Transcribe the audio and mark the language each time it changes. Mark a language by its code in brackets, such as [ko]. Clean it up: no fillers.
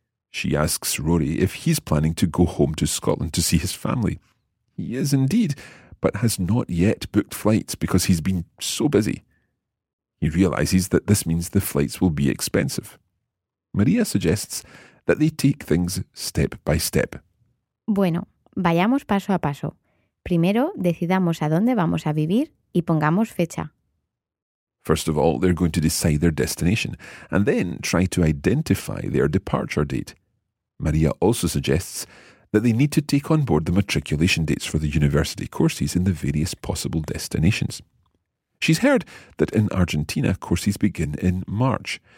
[en] She asks Rory if he's planning to go home to Scotland to see his family. He is indeed, but has not yet booked flights because he's been so busy. He realises that this means the flights will be expensive. Maria suggests that they take things step by step. [es] Bueno, vayamos paso a paso. Primero, decidamos a dónde vamos a vivir y pongamos fecha. [en] First of all, they're going to decide their destination and then try to identify their departure date. Maria also suggests that they need to take on board the matriculation dates for the university courses in the various possible destinations. She's heard that in Argentina, courses begin in March.